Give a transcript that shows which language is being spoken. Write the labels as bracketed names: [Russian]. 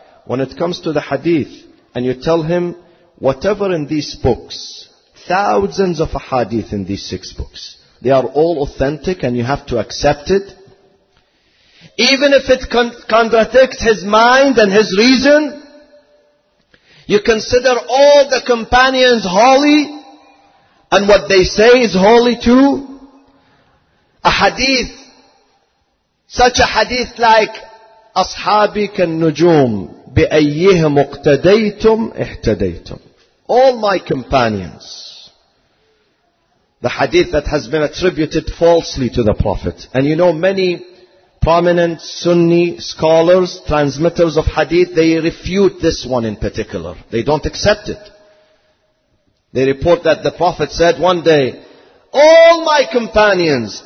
[English] When it comes to the hadith, and you tell him, whatever in these books, thousands of hadith in these six books, they are all authentic and you have to accept it. Even if it contradicts his mind and his reason, you consider all the companions holy, and what they say is holy too. Such a hadith like [Arabic] أصحابي كالنجوم بأيهم اقتديتم اهتديتم. [English] All my companions. The hadith that has been attributed falsely to the Prophet. And you know, many prominent Sunni scholars, transmitters of hadith, they refute this one in particular. They don't accept it. They report that the Prophet said one day, all my companions.